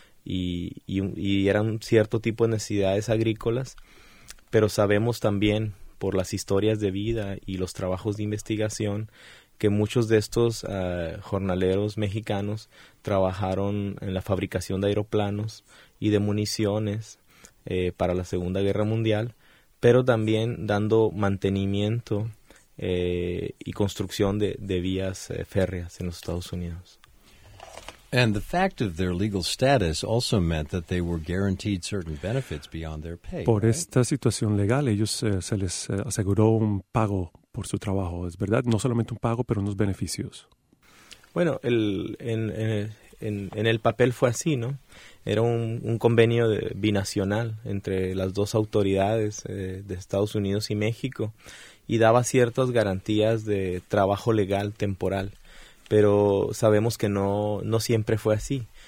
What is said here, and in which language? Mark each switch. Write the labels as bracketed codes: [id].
[es] Y eran cierto tipo de necesidades agrícolas, pero sabemos también por las historias de vida y los trabajos de investigación que muchos de estos jornaleros mexicanos trabajaron en la fabricación de aeroplanos y de municiones para la Segunda Guerra Mundial, pero también dando mantenimiento y construcción de vías férreas en los Estados Unidos. [en] And the fact of their legal status also meant that they were guaranteed certain benefits beyond their pay. [es] Por esta situación legal, ellos se les aseguró un pago por su trabajo, es verdad, no solamente un pago, pero unos beneficios. Bueno, en el papel fue así, ¿no? Era un convenio binacional entre las dos autoridades de Estados Unidos y México y daba ciertas garantías de trabajo legal temporal, pero sabemos que no siempre fue así.